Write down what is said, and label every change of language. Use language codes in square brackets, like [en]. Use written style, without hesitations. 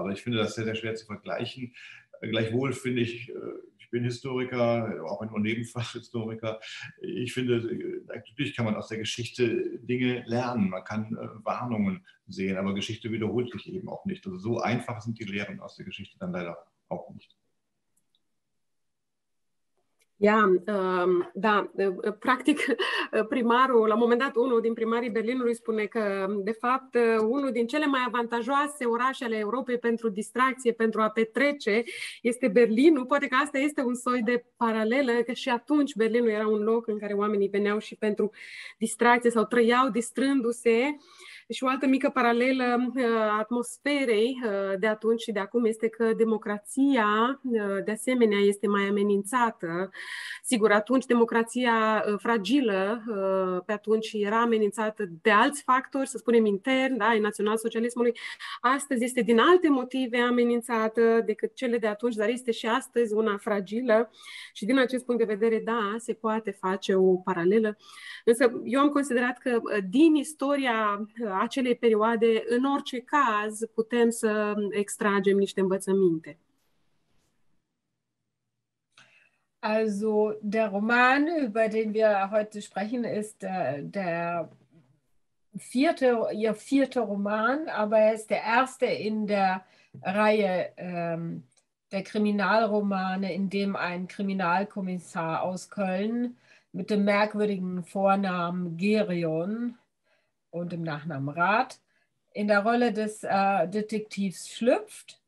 [de] Aber ich finde das sehr, sehr schwer zu vergleichen. Gleichwohl finde ich, ich bin Historiker, auch nur Nebenfachhistoriker. Ich finde, natürlich kann man aus der Geschichte Dinge lernen. Man kann Warnungen sehen, aber Geschichte wiederholt sich eben auch nicht. Also so einfach sind die Lehren aus der Geschichte dann leider auch nicht. [ro] Ia, da, practic primarul, la un moment dat unul din primarii Berlinului spune că de fapt unul din cele mai avantajoase orașe ale Europei pentru distracție, pentru a petrece, este Berlinul. Poate că asta este un soi de paralelă, că și atunci Berlinul era un loc în care oamenii veneau și pentru distracție sau trăiau distrându-se. Și o altă mică paralelă atmosferei de atunci și de acum este că democrația de asemenea este mai amenințată. Sigur, atunci democrația fragilă pe atunci era amenințată de alți factori, să spunem intern, da, ai național-socialismului. Astăzi este din alte motive amenințată decât cele de atunci, dar este și astăzi una fragilă. Și din acest punct de vedere, da, se poate face o paralelă. Însă eu am considerat că din istoria acelei perioade, în orice caz, putem să extragem niște învățăminte. [de] Also, der Roman, über den wir heute sprechen, ist der vierte, ihr vierter Roman, aber er ist der erste in der Reihe der Kriminalromane, in dem ein Kriminalkommissar aus Köln mit dem merkwürdigen Vornamen Gerion und im Nachnamen Rath in der Rolle des Detektivs schlüpft.